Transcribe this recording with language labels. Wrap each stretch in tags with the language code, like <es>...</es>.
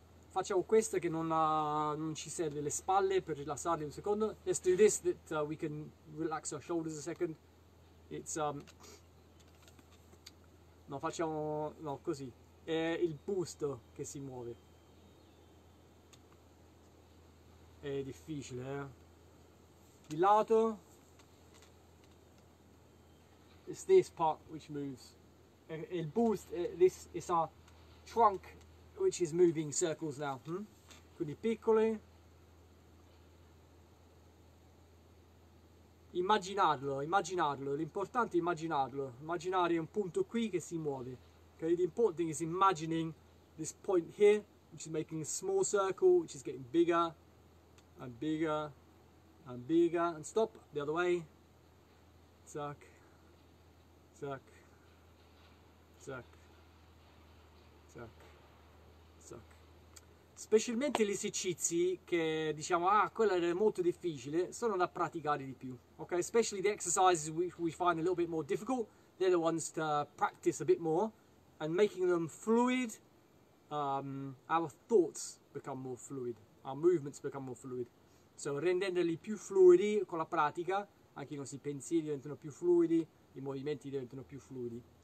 <it>Facciamo questo che non ci serve le spalle per rilassarle un secondo.</it> <en>Let's do this that we can relax our shoulders a second.</en> <it>No, facciamo no, così. È il busto che si muove. È difficile, eh? Di lato.</it> <en>It's this part which moves.</en> <it>Il boost,</it> <en>this is our trunk which is moving circles now.</en> <it>Quindi piccoli. Immaginarlo, immaginarlo, l'importante è immaginarlo, immaginare un punto qui che si muove.</it> <en>Okay? The important thing is imagining this point here, which is making a small circle, which is getting bigger and bigger and bigger. And stop, the other way. Zack, zack, zack, zack, zack.</en> <it>Specialmente gli esercizi che diciamo, ah, quello è molto difficile, sono da praticare di più.</it> <en>Okay, especially the exercises which we find a little bit more difficult, they're the ones to practice a bit more, and making them fluid, our thoughts become more fluid, our movements become more fluid.</en> <it>So rendendoli più fluidi con la pratica, anche i nostri pensieri diventano più fluidi, i movimenti diventano più fluidi.</it>